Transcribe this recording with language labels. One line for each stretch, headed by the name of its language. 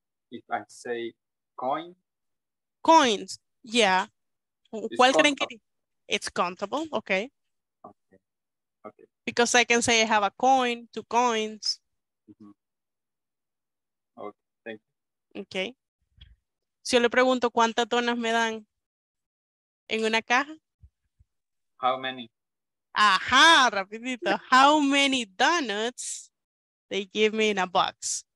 English: If I say coin? Coins, yeah. It's
Spanish: ¿cuál creen que
English: it's countable, okay. Okay. Because I can say I have a coin, two coins. Mm-hmm. Okay, thank you. Okay.
Spanish: Si yo le pregunto cuántas donas me dan en una caja.
English: How many?
Spanish: Ajá, rapidito.
English: How many donuts they give me in a box?